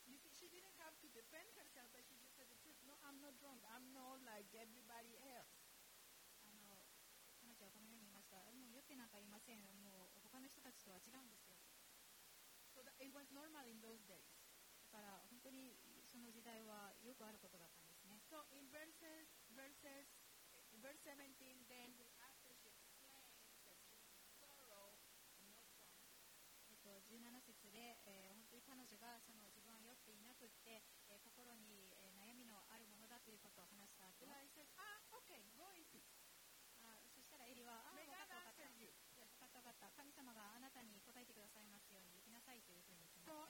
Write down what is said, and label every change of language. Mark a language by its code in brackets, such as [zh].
[en] She didn't have to defend herself, but she just said the truth. No, I'm not drunk. I'm not like everybody else. [ja] 彼女はこのように言いました。もう酔ってなんかいません。もう他の人たちとは違うんですよ。 [en] So、that it was normal in those days. [ja] だから本当にその時代はよくあることだったんですね。 [en] So in verse 17, then after she explained that she was in sorrow, not drunk. [ja] 17節で、本当に彼女がその自分は酔っていなくって、心に悩みのあるものだということを話した後、 [en] And I said, ah, okay, go in peace. [ja] そしたらエリは、ああ、分かった。神様があなたに答えてくださいますように行きなさいというふうに言っています